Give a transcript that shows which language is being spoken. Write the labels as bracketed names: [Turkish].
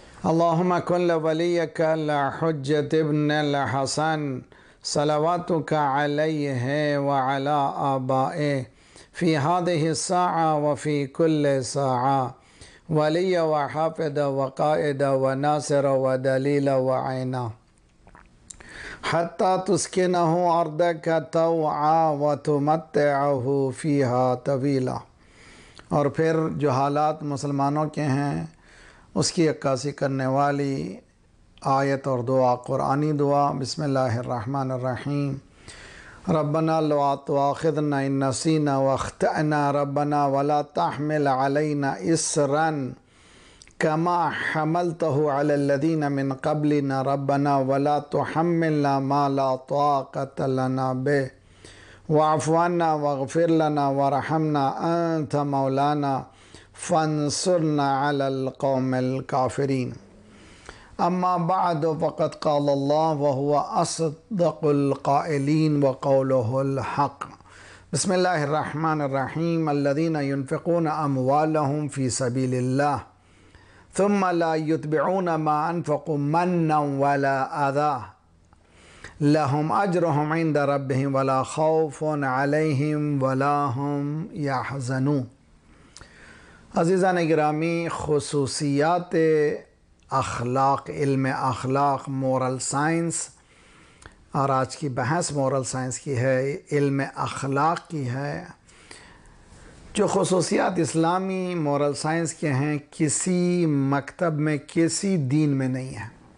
[Arabic] اللہم کن لولیک لحجت ابن الحسن صلواتک علیہ وعلا آبائے فی هذه الساعہ وفی کل ساعہ ولی وحافظ وقائد وناصر ودلیل وعینا حتی تسکنہ اردک توعا وتمتعہ فیہا طویلا. [Urdu] اور پھر جو حالات مسلمانوں کے ہیں، اس کی عکاسی کرنے والی آیت اور دعا، قرآنی دعا، بسم اللہ الرحمن الرحیم. [Arabic] ربنا لا تؤاخذنا ان نسينا واخطأنا، ربنا ولا تحمل علينا اسرا كما حملته على الذين من قبلنا، ربنا ولا تحملنا ما لا طاقة لنا به، واعف عنا واغفر لنا وارحمنا، انت مولانا فانصرنا على القوم الكافرين. أما بعد، فقد قال الله وهو أصدق القائلين وقوله الحق. بسم الله الرحمن الرحيم. الذين ينفقون أموالهم في سبيل الله ثم لا يتبعون ما أنفقوا منا ولا أذى لهم أجرهم عند ربهم ولا خوف عليهم ولا هم يحزنون. [Urdu] عزيزان اگرامی، خصوصيات اخلاق، علم اخلاق، مورل سائنس، اور آج کی بحث مورل سائنس کی ہے، علم اخلاق کی ہے. جو خصوصیات اسلامی مورل سائنس کے ہیں، کسی مکتب میں، کسی دین میں نہیں ہیں.